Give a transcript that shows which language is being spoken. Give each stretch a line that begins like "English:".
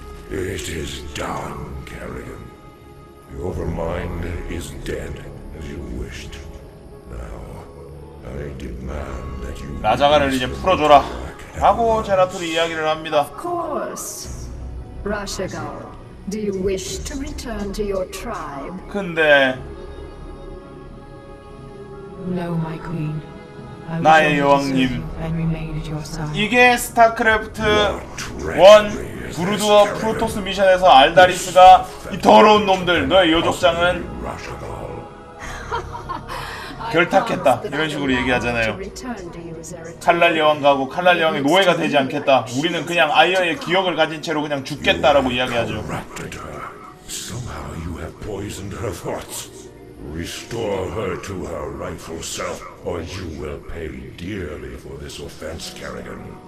English: It is done, Kerrigan. The Overmind is dead as you wished. Now I demand that you.
Korean: 라자가를 이제 풀어줘라. 하고 제라토리 이야기를 합니다.
English: Of course, Rashagal. Do you wish to return to your tribe?
Korean: 근데.
English: No, my queen.
Korean: 나의 여왕님, 이게 스타크래프트 1 브루드워 프로토스 미션에서 알다리스가 이 더러운 놈들, 너의 여족장은 결탁했다 이런 식으로 얘기하잖아요. 칼날 여왕 가고 칼날 여왕의 노예가 되지 않겠다. 우리는 그냥 아이어의 기억을 가진 채로 그냥 죽겠다라고 이야기하죠.
English: Somehow you have poisoned her thoughts. Restore her to her rightful self, or you will pay dearly for this offense, Kerrigan.